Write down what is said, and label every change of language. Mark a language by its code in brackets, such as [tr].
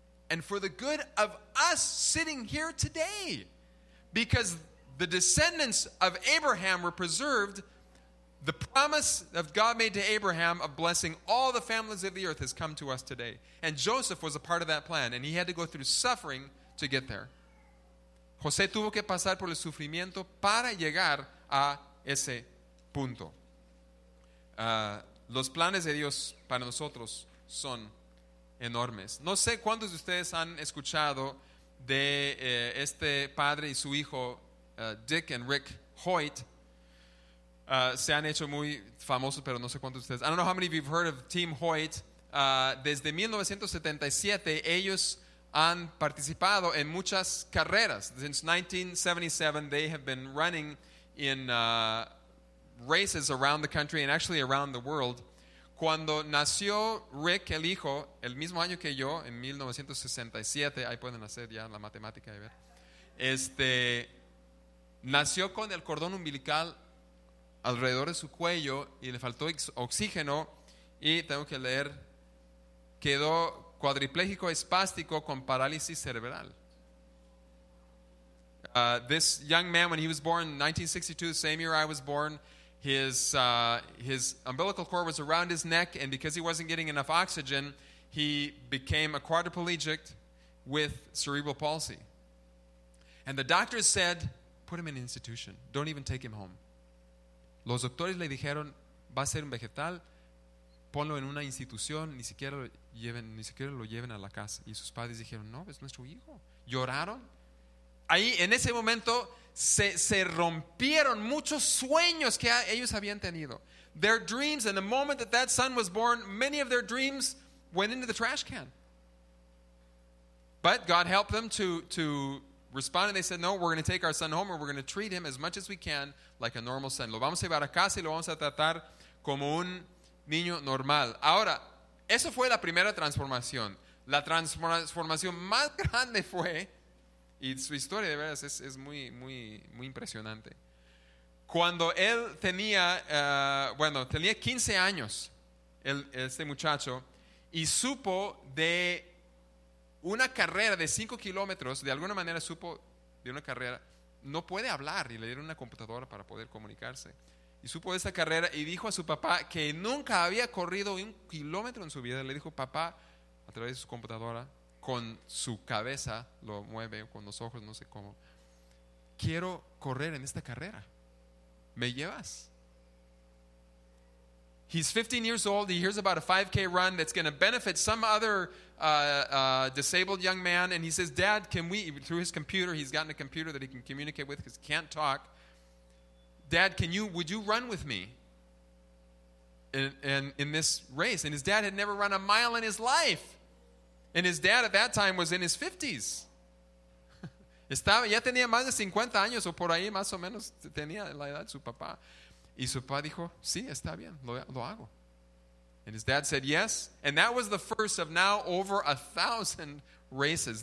[en] And for the good of us sitting here today. Because the descendants of Abraham were preserved. The promise that God made to Abraham of blessing all the families of the earth has come to us today. And Joseph was a part of that plan, and he had to go through suffering to get there. [es] José tuvo que pasar por el sufrimiento para llegar a ese punto. Los planes de Dios para nosotros son enormes. No sé cuántos de ustedes han escuchado de este padre y su hijo, Dick and Rick Hoyt. Se han hecho muy famosos, pero no sé cuántos de ustedes. [en] I don't know how many of you have heard of Team Hoyt. [es] Desde 1977, ellos han participado en muchas carreras. [en] Since 1977, they have been running in races around the country and actually around the world. [es] Cuando nació Rick, el hijo, el mismo año que yo, en 1967, ahí pueden hacer ya la matemática y ver. Nació con el cordón umbilical alrededor de su cuello y le faltó oxígeno. Y tengo que leer, quedó cuadripléjico espástico con parálisis cerebral. [en] This young man, when he was born in 1962, the same year I was born, his umbilical cord was around his neck, and because he wasn't getting enough oxygen, he became a quadriplegic with cerebral palsy. And the doctors said, put him in an institution. Don't even take him home. [es] Los doctores le dijeron, va a ser un vegetal, ponlo en una institución, ni siquiera lo lleven a la casa. Y sus padres dijeron, no, es nuestro hijo. Lloraron. Ahí, en ese momento, se rompieron muchos sueños que ellos habían tenido. [en] Their dreams, and the moment that that son was born, many of their dreams went into the trash can. But God helped them to respond, and they said, no, we're going to take our son home, and we're going to treat him as much as we can like a normal son. [es] Lo vamos a llevar a casa y lo vamos a tratar como un niño normal. Ahora, eso fue la primera transformación. La transformación más grande fue, y su historia de veras es muy, muy, muy impresionante. Cuando él tenía, tenía 15 años, este muchacho, y supo de una carrera de 5 kilómetros, de alguna manera supo de una carrera, no puede hablar, y le dieron una computadora para poder comunicarse. Y supo de esa carrera y dijo a su papá que nunca había corrido un kilómetro en su vida. Le dijo, papá, a través de su computadora, con su cabeza, lo mueve, con los ojos, no sé cómo, quiero correr en esta carrera. ¿Me llevas? [en] He's 15 years old. He hears about a 5K run that's going to benefit some other disabled young man. And he says, Dad, can we, through his computer, he's gotten a computer that he can communicate with because he can't talk. Dad, would you run with me in this race? And his dad had never run a mile in his life. And his dad at that time was in his 50s. [es] Estaba, ya tenía más de 50 años, o por ahí más o menos tenía la edad de su papá. Y su papá dijo, sí, está bien, lo hago. [en] And his dad said, yes. And that was the first of now over 1,000 races.